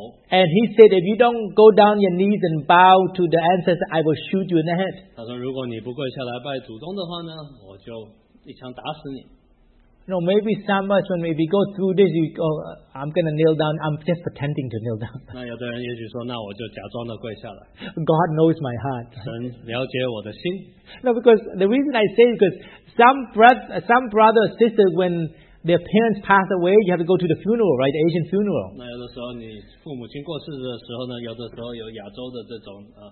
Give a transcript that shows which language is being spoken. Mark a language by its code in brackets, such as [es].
[en] And he said, if you don't go down your knees and bow to the ancestor, I will shoot you in the head. [zh] 她说, 如果你不跪下来拜祖宗的话呢, 我就一枪打死你。 [en] know, maybe sometimes when we go through this, you go, I'm going to kneel down. I'm just pretending to kneel down. [zh] 那有的人也许说, 那我就假装地跪下来。 [en] God knows my heart. [zh] 神了解我的心。 [en] No, because the reason I say is because some brother or sister, when their parents pass away, you have to go to the funeral, right? The Asian funeral. [zh] 那有的时候你父母亲过世的时候呢, 有的时候有亚洲的这种,